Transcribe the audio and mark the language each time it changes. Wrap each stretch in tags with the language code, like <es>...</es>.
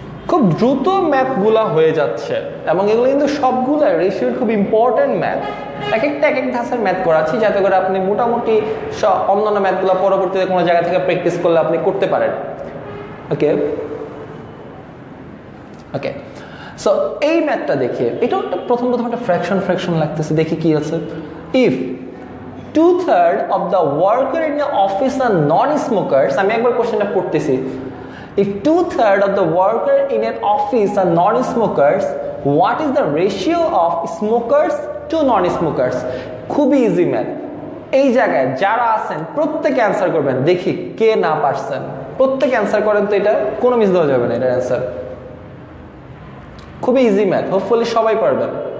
<bn>খুব দ্রুত ম্যাথগুলো হয়ে যাচ্ছে এবং এগুলো কিন্তু সবগুলো রেশিওর খুব ইম্পর্টেন্ট ম্যাথ এক এক ধাঁচের ম্যাথ করাচ্ছি যাতে করে আপনি মোটামুটি অন্যান্য ম্যাথগুলো পরবর্তীতে কোনো জায়গা থেকে প্র্যাকটিস করলে আপনি করতে পারেন ওকে ওকে সো এই ম্যাথটা দেখি এটাও প্রথম প্রথম একটা ফ্র্যাকশন ফ্র্যাকশন লাগতেছে দেখি কি আছে if</bn> <en>2/3 of the worker in the office are non-smokers.</en> <bn>আমি একবার কোশ্চেনটা পড়তেছি.</bn> <en>If 2/3 of the worker in an office are non-smokers, what is the ratio of smokers to non-smokers?</en> <bn>খুবই ইজি ম্যাথ. এই জায়গায় যারা আছেন প্রত্যেক অ্যান্সার করবেন, দেখি কে না পারছেন. প্রত্যেক অ্যান্সার করেন তো এটা কোনো মিস দেওয়া যাবে না, এটা অ্যান্সার খুবই ইজি ম্যাথ, হোপফুলি সবাই পারবেন.</bn>